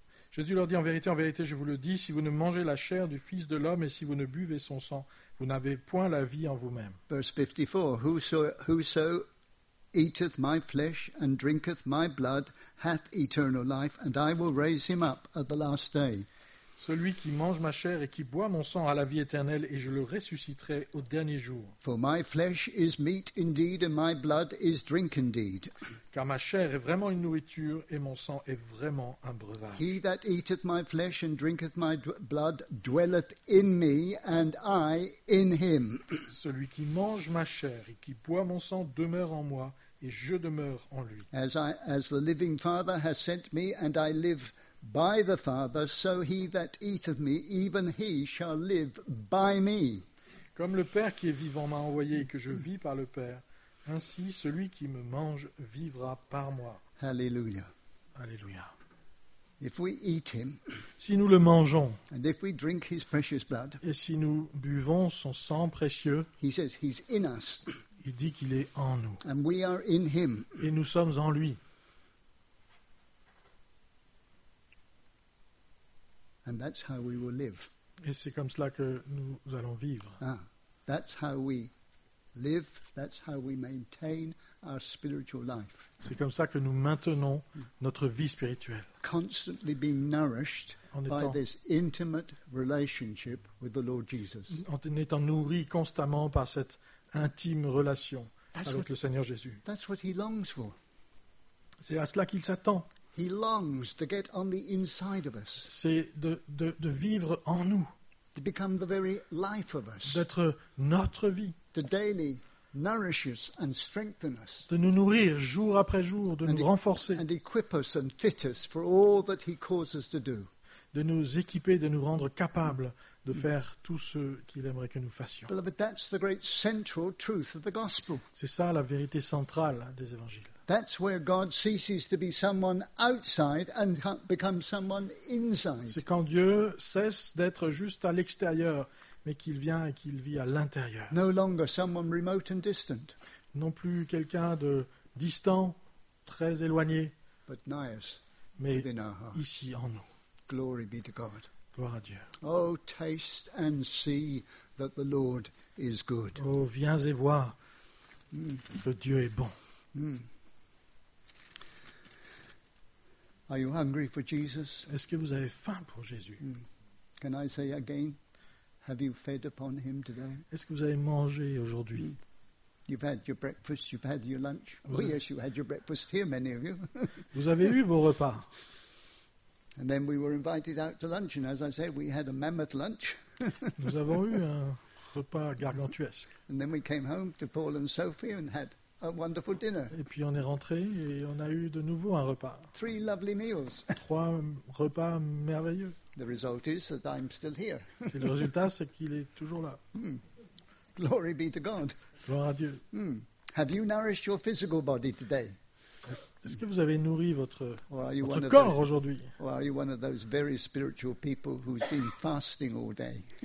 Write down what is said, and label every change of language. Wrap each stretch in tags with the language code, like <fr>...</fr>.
<fr>Jésus leur dit, en vérité, je vous le dis, si vous ne mangez la chair du Fils de l'homme et si vous ne buvez son sang, vous n'avez point la vie en vous-même.</fr> <en>Verse 54, whoso eateth my flesh and drinketh my blood hath eternal life, and I will raise him up at the last day.</en> <fr>Celui qui mange ma chair et qui boit mon sang a la vie éternelle et je le ressusciterai au dernier jour.</fr> <en>For my flesh is meat indeed and my blood is drink indeed.</en> <fr>Car ma chair est vraiment une nourriture et mon sang est vraiment un breuvage.</fr> <en>He that eateth my flesh and drinketh my blood dwelleth in me and I in him.</en> <fr>Celui qui mange ma chair et qui boit mon sang demeure en moi et je demeure en lui.</fr> <en>As the living Father has sent me and I live by the Father, so he that eateth me, even he shall live by me.</en> <fr>Comme le Père qui est vivant m'a envoyé et que je vis par le Père, ainsi celui qui me mange vivra par moi.</fr> <en>Hallelujah. Hallelujah. If we eat him,</en> <fr>si nous le mangeons,</fr> <en>and if we drink his precious blood,</en> <fr>et si nous buvons son sang précieux,</fr> <en>he says he's in us.</en> <fr>Il dit qu'il est en nous.</fr> <en>And we are in him.</en> <fr>Et nous sommes en lui.</fr> <en>And that's how we will live.</en> <fr>Et c'est comme cela que nous allons vivre.</fr> <en>Ah, that's how we live. That's how we maintain our spiritual life.</en> <fr>C'est comme ça que nous maintenons notre vie spirituelle.</fr> <en>Constantly being nourished by this intimate relationship with the Lord Jesus.</en> <fr>En étant nourri constamment par cette intime relation avec le Seigneur Jésus.</fr> <en>That's what he longs for.</en> <fr>C'est à cela qu'il s'attend.</fr> <en>He longs to get on the inside of us.</en> <fr>C'est de vivre en nous.</fr> <en>To become the very life of us.</en> <fr>D'être notre vie.</fr> <en>To daily nourish us and strengthen us.</en> <fr>De nous nourrir jour après jour, de nous renforcer.</fr> <en>And equip us and fit us for all that he calls us to do.</en> <fr>De nous équiper, de nous rendre capables de faire tout ce qu'il aimerait que nous fassions.</fr> <en>Beloved, that's the great central truth of the gospel.</en> <fr>C'est ça la vérité centrale des évangiles.</fr> <en>That's where God ceases to be someone outside and becomes someone inside.</en> <fr>C'est quand Dieu cesse d'être juste à l'extérieur, mais qu'il vient et qu'il vit à l'intérieur.</fr> <en>No longer someone remote and distant.</en> <fr>Non plus quelqu'un de distant, très éloigné.</fr> <en>But nigh us,</en> <fr>mais</fr> <en>within our heart.</en> <fr>Ici en nous.</fr> <en>Glory be to God.</en> <fr>Gloire à Dieu.</fr> <en>Oh, taste and see that the Lord is good.</en> <fr>Oh, viens et vois que Dieu est bon. Mm.</fr> <en>Are you hungry for Jesus?</en> <fr>Est-ce que vous avez faim pour Jésus?</fr> <en>Can I say again, have you fed upon him today?</en> <fr>Est-ce que vous avez mangé aujourd'hui?</fr> <en>You've had your breakfast, you've had your lunch. Oh yes, you had your breakfast here, many of you.</en> <fr>Vous avez eu vos repas.</fr> <en>And then we were invited out to lunch, and as I said, we had a mammoth lunch.</en> <fr>Nous avons eu un repas gargantuesque.</fr> <en>And then we came home to Paul and Sophie and had a wonderful dinner.</en> <fr>Et puis on est rentré et on a eu de nouveau un repas.</fr> <en>Three lovely meals.</en> <fr>Trois repas merveilleux.</fr> <en>The result is that I'm still here.</en> <fr>Et le résultat, c'est qu'il est toujours là.</fr> <en>Mm. Glory be to God.</en> <fr>Gloire à Dieu. Mm.</fr> <en>Have you nourished your physical body today?</en> <fr>Est-ce que vous avez nourri votre corps aujourd'hui?</fr> <en>Or are you one of those very spiritual people who's been fasting all day?</en>